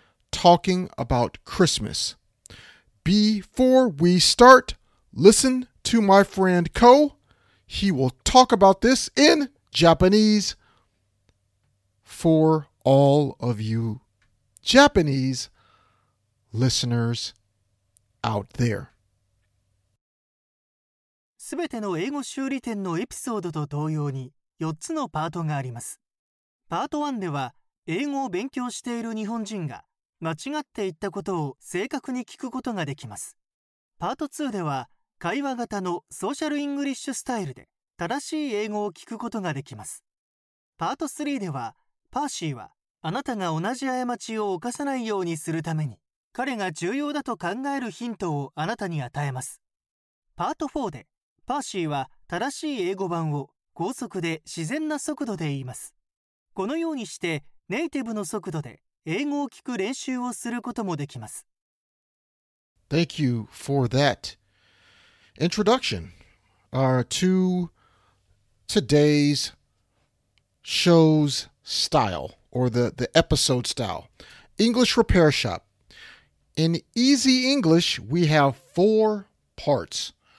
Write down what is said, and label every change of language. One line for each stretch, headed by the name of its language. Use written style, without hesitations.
English: Talking about Christmas. Before we start, listen to my friend Ko. He will talk about this in Japanese for all of you Japanese listeners out there.
Japanese: すべての英語修理店のエピソードと同様に4つのパートがあります。パート1では英語を勉強している日本人が間違って言ったことを正確に聞くことができます。パート2では会話型のソーシャルイングリッシュスタイルで正しい英語を聞くことができます。パート3ではパーシーはあなたが同じ過ちを犯さないようにするために彼が重要だと考えるヒントをあなたに与えます。パート4でパーシーは正しい英語版を高速で自然な速度で言います。このようにしてネイティブの速度で英語を聞く練習をすることもできます。
English: Thank you for that introduction to today's show's style or the episode style. English Repair Shop. In Easy English, we have four parts.